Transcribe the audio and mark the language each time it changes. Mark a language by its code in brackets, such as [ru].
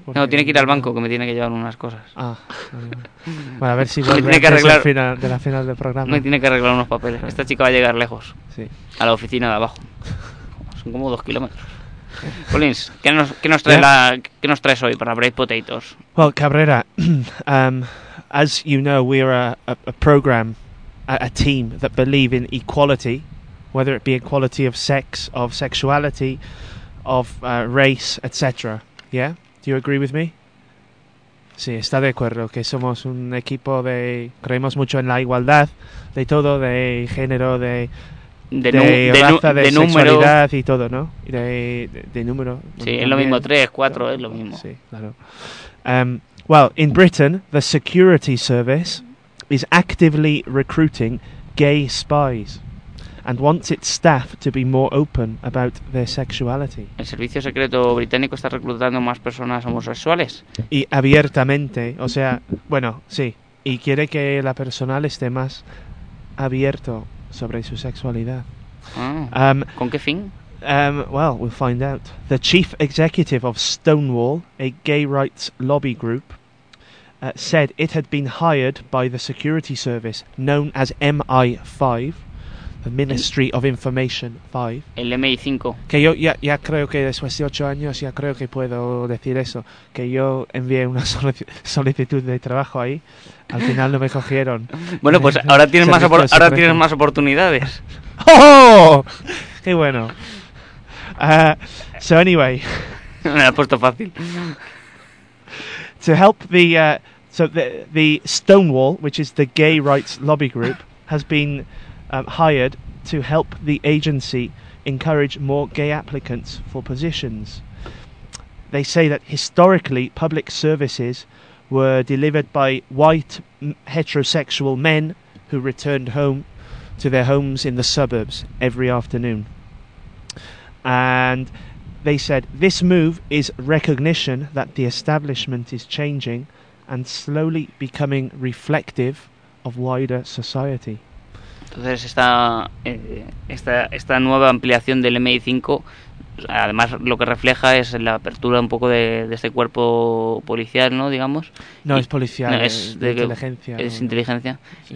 [es] Porque... No, tiene que ir al banco, que me tiene que llevar unas cosas. Ah, bueno, a ver si vuelve arreglar... de la final del programa. Me tiene que arreglar unos papeles. Esta chica va a llegar lejos, sí. A la oficina de abajo. Son como 2 kilómetros. Collins, ¿qué nos traes hoy para Brave Potatoes? [en] Well, Cabrera, as you know, we're a program, a team that believe in equality, whether it be equality of sex, of sexuality, of race, etc. Yeah? Do you agree with me? [es] Sí, está de acuerdo, que somos un equipo de... Creemos mucho en la igualdad, de todo, de género, De raza, de sexualidad y todo, ¿no? De número. Sí, es lo mismo, 3, 4, es lo mismo. Sí, claro. [en] Well, in Britain, the security service is actively recruiting gay spies and wants its staff to be more open about their sexuality. [es] El servicio secreto británico está reclutando más personas homosexuales. Y abiertamente, o sea, bueno, sí. Y quiere que la personal esté más abierto sobre su sexualidad. Ah, ¿con qué fin? [en] Well, we'll find out. The chief executive of Stonewall, a gay rights lobby group, said it had been hired by the security service known as MI5, the Ministry of Information 5. [es] El MI5. Que yo ya creo que después de 8 años ya creo que puedo decir eso, que yo envié una solicitud de trabajo ahí. Al final no me cogieron. Bueno, pues ahora tienes más oportunidades. ¡Oh! ¡Qué bueno! [en] So anyway... [es] Me lo has puesto fácil. [en] To help the Stonewall, which is the gay rights lobby group, has been hired to help the agency encourage more gay applicants for positions. They say that historically public services were delivered by white heterosexual men who returned home to their homes in the suburbs every afternoon. And they said, this move is recognition that the establishment is changing and slowly becoming reflective of wider society. [es] Entonces esta nueva ampliación del MI5, además lo que refleja es la apertura un poco de este cuerpo policial, ¿no? Digamos. No, y, es policial, no, es de inteligencia. Es inteligencia. Sí.